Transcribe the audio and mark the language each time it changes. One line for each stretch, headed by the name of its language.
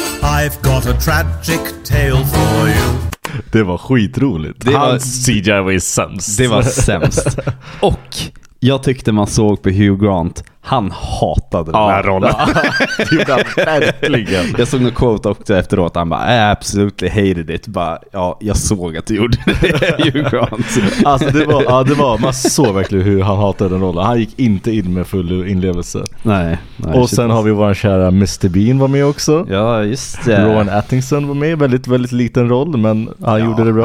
English: I've got a tragic tale for you.
Swedish: Det var skitroligt. Hans CGI var ju sämst. Det var sämst. Och jag tyckte man såg på Hugh Grant, han hatade den här rollen. Verkligen. Jag såg en quote också efteråt.
English: Han bara, absolutely hated it.
Swedish: Jag såg att du gjorde det, Hugh Grant. Alltså det var, man såg verkligen hur han hatade den rollen. Han gick inte in med full inlevelse. Nej. Och sen har vi vår kära Mr. Bean var med också. Ja, just det. Rowan Atkinson var med. Väldigt, väldigt liten roll, men han gjorde det bra.